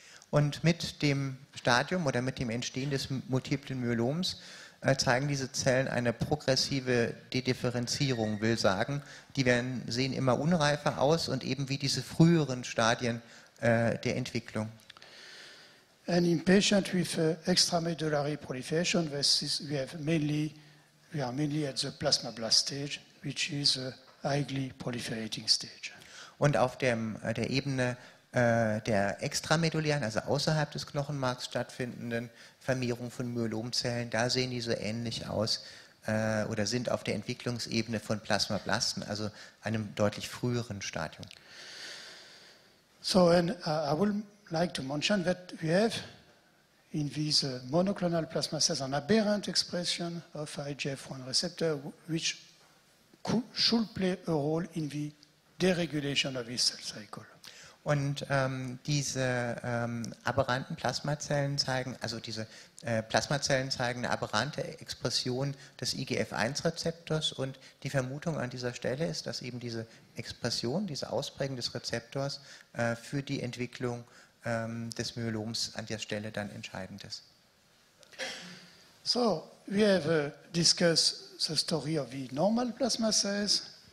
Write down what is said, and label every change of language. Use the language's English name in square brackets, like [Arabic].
[German] Und mit dem Stadium oder mit dem Entstehen des multiplen Myeloms zeigen diese Zellen eine progressive Dedifferenzierung, will sagen, die werden, sehen immer unreifer aus und eben wie diese früheren Stadien der Entwicklung. [English] And in patients with extramedullary proliferation, we are mainly at the plasmablast stage, which is a highly proliferating stage. [German] Und auf der Ebene der extramedullären, also außerhalb des Knochenmarks stattfindenden Vermehrung von Myelomzellen, da sehen die so ähnlich aus oder sind auf der Entwicklungsebene von Plasmablasten, also einem deutlich früheren Stadium. [English] So, and I will like to mention that we have in these monoclonal plasma cells an aberrant expression of IGF-1 receptor, which should play a role in the deregulation of this cell cycle. [German] Und diese aberranten Plasmazellen zeigen, also diese Plasmazellen zeigen eine aberrante Expression des IGF-1-Rezeptors und die Vermutung an dieser Stelle ist, dass eben diese Expression, diese Ausprägung des Rezeptors für die Entwicklung des Myeloms an der Stelle dann entscheidend ist. [English] So, we have discussed the story of the normal plasma cells.